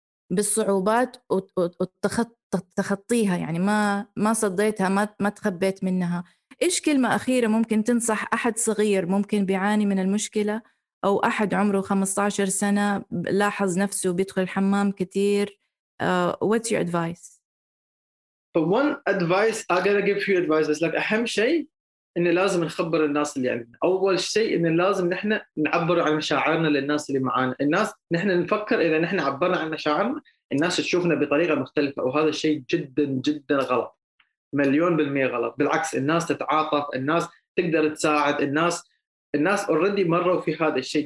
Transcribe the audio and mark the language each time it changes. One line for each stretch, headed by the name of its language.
Arabic: بالصعوبات وتخطيها يعني ما صديتها ما تخبيت منها. إيش كلمة أخيرة ممكن تنصح أحد صغير ممكن بيعاني من المشكلة، أو أحد عمره 15 سنة لاحظ نفسه بيدخل الحمام كتير؟
English: What's your advice? But one advice, I gotta give you advice. It's like
Arabic: أهم شيء إن لازم نخبر الناس اللي عندنا. أول شيء إن لازم نحن نعبر عن مشاعرنا للناس اللي معانا. الناس نحن نفكر إذا نحن عبرنا عن مشاعرنا الناس تشوفنا بطريقة مختلفة، وهذا الشيء جدا جدا غلط، مليون بالمئة غلط. بالعكس، الناس تتعاطف، الناس تقدر تساعد، الناس already مروا في هذا الشيء.